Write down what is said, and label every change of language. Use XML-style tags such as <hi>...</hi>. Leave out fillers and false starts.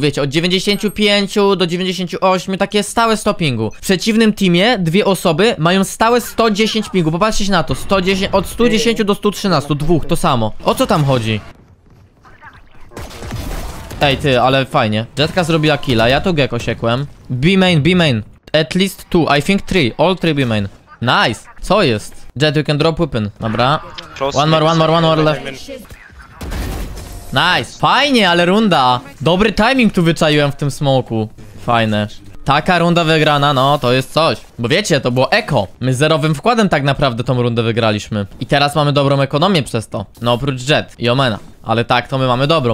<pl>Wiecie, od 95 do 98, takie stałe stoppingu. W przeciwnym teamie dwie osoby mają stałe 110 pingu. Popatrzcie na to, 110, od 110 do 113, dwóch, to samo. O co tam chodzi? Ej, ty, ale fajnie. Jetka zrobiła killa, ja to gecko siekłem. B-main, B-main.</pl> <en>At least two, I think three, all three B-main. Nice,</en> <pl>co jest?</pl> <en>Jet, you can drop weapon. Dobra. One more, one more, one more left.</en> <pl>Nice. Fajnie, ale runda. Dobry timing tu wyczaiłem w tym smoku. Fajne. Taka runda wygrana, no to jest coś. Bo wiecie, to było eko. My z zerowym wkładem tak naprawdę tą rundę wygraliśmy. I teraz mamy dobrą ekonomię przez to. No oprócz Jet i Omena. Ale tak, to my mamy dobrą.</pl>